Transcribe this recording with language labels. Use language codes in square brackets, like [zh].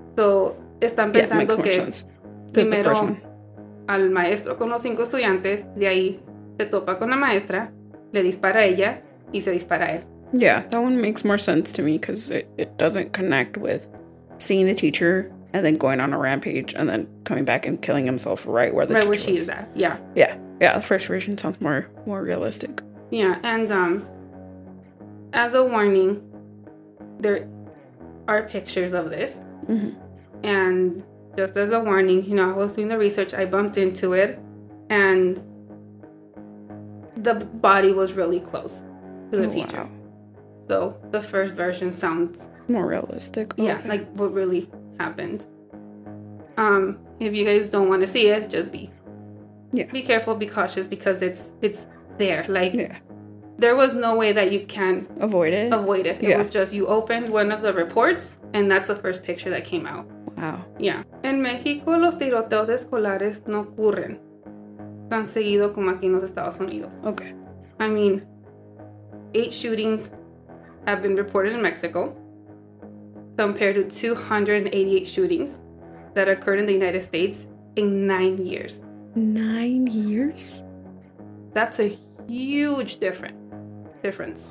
[es] So, están pensando que primero al maestro con los 5 estudiantes, de ahí se topa con la maestra, le dispara a ella y se dispara a él. [en] Yeah, that one makes more sense to me because it doesn't connect with seeing the teacher and then going on a rampage and then coming back and killing himself right where the right teacher where she was. Is at. Yeah. Yeah. Yeah. The first version sounds more realistic. Yeah. And as a warning, there are pictures of this. Mm-hmm. And just as a warning, you know, I was doing the research. I bumped into it. And the body was really close to the teacher. So the first version sounds more realistic. Yeah, okay. Like what really happened. If you guys don't want to see it, just be careful, be cautious, because it's there. Like, there was no way that you can avoid it. It was just, you opened one of the reports, and that's the first picture that came out. Wow. Yeah. [es] En México, los tiroteos escolares no ocurren tan seguido como aquí en los Estados Unidos. [en] Okay. I mean, 8 shootings have been reported in Mexico, compared to 288 shootings that occurred in the United States in 9 years. 9 years? That's a huge difference.